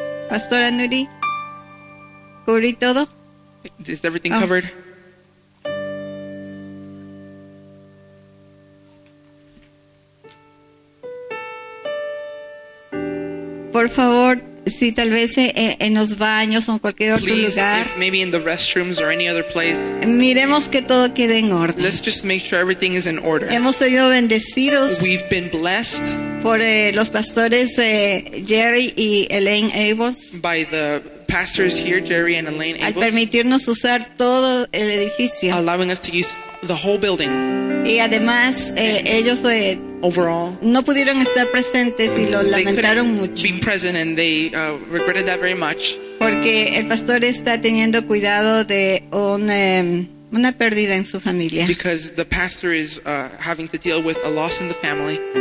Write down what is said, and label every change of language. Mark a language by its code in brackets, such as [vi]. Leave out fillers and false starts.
[es] Pastora Nuri, ¿cubrí todo? [en] Is everything covered? [es] Por favor, si tal vez en los baños o en cualquier otro [en] Please, [es] lugar, [en] if maybe in the restrooms or any other place, [es] miremos que todo quede en orden. [en] Let's just make sure everything is in order. [es] Hemos sido bendecidos. [en] We've been blessed [es] por los pastores Jerry y Elaine Abels. [en] By the pastors here, Jerry and Elaine Abels. [es] Al permitirnos usar todo el edificio. [en] Allowing us to use the whole building. [es] Y además ellos [en] overall, [es] no pudieron estar presentes y lo lamentaron mucho. [en] Be present and they regretted that very much. [es] Porque el pastor está teniendo cuidado de una pérdida en su familia. [en] Because the pastor is having to deal with a loss in the family.